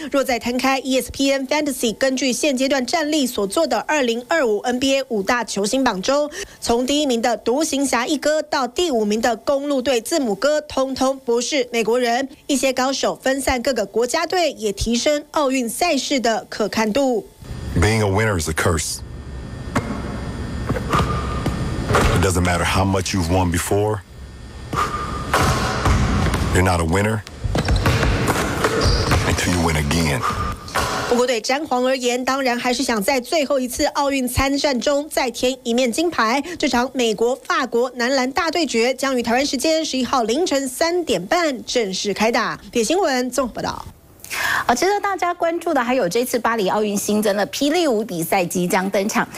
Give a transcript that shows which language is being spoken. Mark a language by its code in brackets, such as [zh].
[zh] 若再摊开 ESPN Fantasy 根据现阶段战力所做的2025 NBA 五大球星榜中，从第一名的独行侠一哥到第五名的公路队字母哥，通通不是美国人，一些高手分散各个国家队，也提升奥运赛事的可看度。 [en] Being a winner is a curse. It doesn't matter how much you've won before. You're not a winner until you win again. [zh] 不过对詹皇而言，当然还是想在最后一次奥运参战中再添一面金牌。这场美国法国男篮大对决将于台湾时间11号凌晨3点半正式开打。铁新闻综合报道。好，值得大家关注的还有这次巴黎奥运新增的霹雳舞比赛即将登场。